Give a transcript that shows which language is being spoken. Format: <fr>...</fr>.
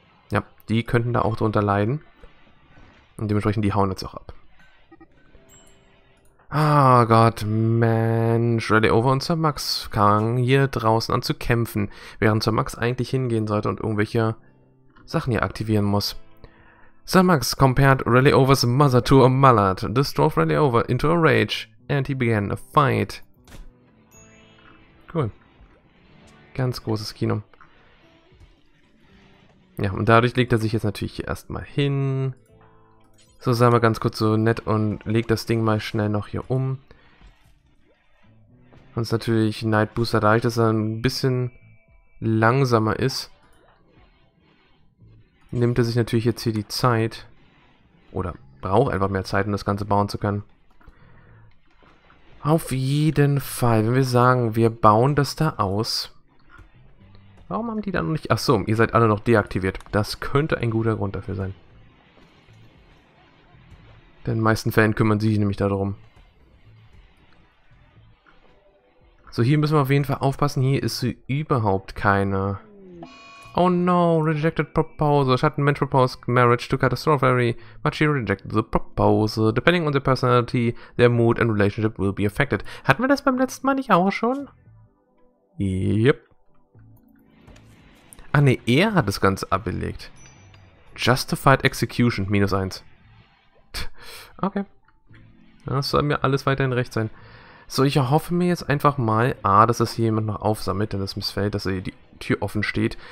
<de>Ja, die könnten da auch drunter leiden. Und dementsprechend, die hauen jetzt auch ab. Ah, oh Gott, Mensch. Rally Over und Sir Max fangen hier draußen an zu kämpfen, während Sir Max eigentlich hingehen sollte und irgendwelche Sachen hier aktivieren muss.</de> <en>Sir Max compared Rally Over's mother to a mallard. This drove Rally Over into a rage and he began a fight.</en> <de>Cool. Ganz großes Kino. Ja, und dadurch legt er sich jetzt natürlich hier erstmal hin. So, sei mal ganz kurz so nett und legt das Ding mal schnell noch hier um. Und es ist natürlich Night Booster, dadurch, dass er ein bisschen langsamer ist, nimmt er sich natürlich jetzt hier die Zeit. Oder braucht einfach mehr Zeit, um das Ganze bauen zu können. Auf jeden Fall, wenn wir sagen, wir bauen das da aus. Warum haben die dann noch nicht. Ach so, ihr seid alle noch deaktiviert. Das könnte ein guter Grund dafür sein. Denn in den meisten Fällen kümmern sie sich nämlich darum. So, hier müssen wir auf jeden Fall aufpassen. Hier ist sie überhaupt keine.</de> <en>Oh no, rejected proposal.</en> <de>Schattenmensch proposed marriage to Catastrophary, but she rejected the proposal. Depending on their personality, their mood and relationship will be affected. Hatten wir das beim letzten Mal nicht auch schon?</de> <en>Yep.</en> <de>Ah ne, er hat das Ganze abgelegt.</de> <en>Justified execution, minus 1.</en> <de>Okay. Das soll mir alles weiterhin recht sein. So, ich erhoffe mir jetzt einfach mal, dass das hier jemand noch aufsammelt, denn es missfällt, dass er die Tür offen steht.</de>